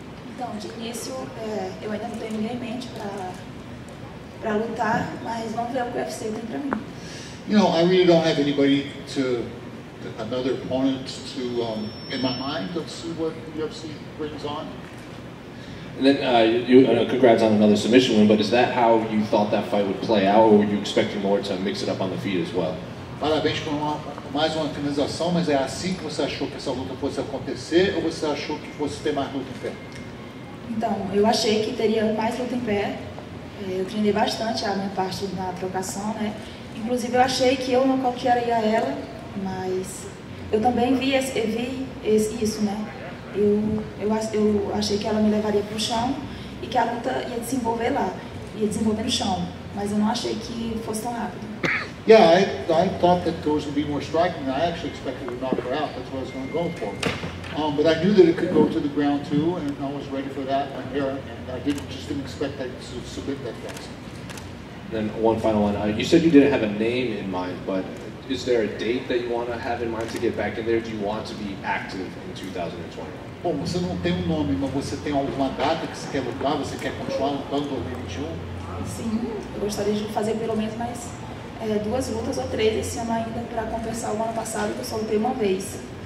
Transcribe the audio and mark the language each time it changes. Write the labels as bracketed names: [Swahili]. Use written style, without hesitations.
[Portuguese] Então, de início, eu ainda não tenho ninguém em mente para lutar, mas vamos ver o que o UFC tem para mim. [English] You know, I really don't have anybody to, another opponent to, in my mind, to see what the UFC brings on. And then, you, congrats on another submission win, but is that how you thought that fight would play out, or were you expecting more to mix it up on the feet as well? [Portuguese] Parabéns por mais uma finalização, mas é assim que você achou que essa luta fosse acontecer, ou você achou que fosse ter mais luta em pé? Então, eu achei que teria mais luta em pé. Eu treinei bastante a minha parte na trocação, né? Inclusive, eu achei que eu nocautearia ela, mas eu também vi, isso, né? Eu achei que ela me levaria para o chão e que a luta ia desenvolver lá, ia desenvolver no chão, mas eu não achei que fosse tão rápido. [English] Yeah, I thought that there was going to be more striking. I actually expected to knock her out. That's what I was going to go for. But I knew that it could go to the ground too, and I was ready for that. I'm here, and I didn't expect that to submit that fast. Then one final one. You said you didn't have a name in mind, but is there a date that you want to have in mind to get back in there? Do you want to be active in 2021? [Portuguese] Bom, você não tem nome, mas você tem alguma data que você quer lutar? Você quer continuar lutando 2021? Sim, eu gostaria de fazer pelo menos mais duas lutas ou três esse ano ainda para compensar o ano passado que eu só lutei uma vez.